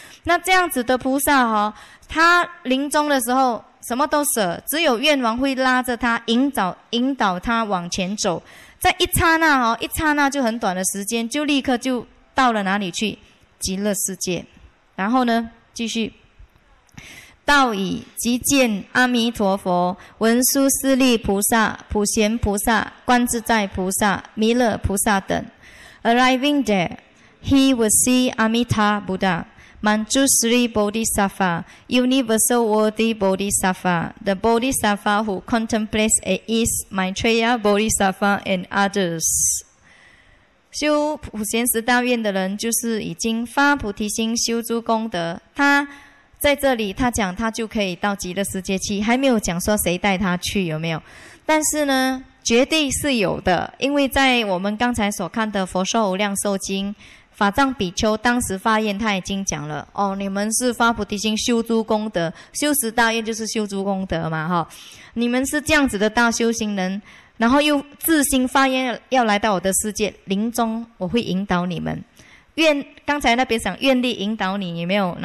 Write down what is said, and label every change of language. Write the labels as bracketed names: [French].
[Chinese] 那这样子的菩萨哦，他临终的时候什么都舍，只有愿王会拉着他引导他往前走，在一刹那哦，一刹那就很短的时间，就立刻就到了哪里去？极乐世界。然后呢继续道已，即见阿弥陀佛、文殊师利菩萨、普贤菩萨、观自在菩萨、弥勒菩萨等。 [English] Arriving there, he would see Amitabha Buddha, Manjushri Bodhisattva, Universal Worthy Bodhisattva, the Bodhisattva who contemplates at ease, Maitreya Bodhisattva and others. [Chinese] 修普贤十大愿的人，就是已经发菩提心，修诸功德，他。在这里他讲他就可以到极乐世界去，还没有讲说谁带他去，有没有？但是呢绝对是有的，因为在我们刚才所看的佛说无量寿经，法藏比丘当时发愿，他已经讲了哦，你们是发菩提心修诸功德，修十大愿就是修诸功德嘛，哦，你们是这样子的大修行人，然后又自心发愿要来到我的世界，临终我会引导你们，愿刚才那边想愿力引导你，有没有？